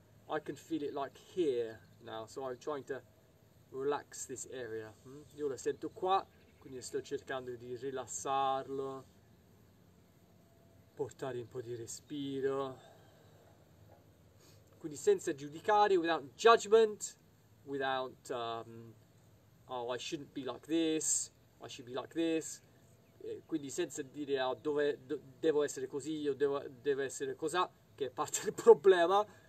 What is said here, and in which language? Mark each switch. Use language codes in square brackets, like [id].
[en] I can feel it like here now, so I'm trying to relax this area. [it] Io la sento qua, quindi sto cercando di rilassarlo, portare un po' di respiro. Quindi senza giudicare, [en] without judgment, without oh, I shouldn't be like this, I should be like this. [it] Quindi senza dire oh, dove devo essere così, o deve essere cos'ha, che è parte del problema.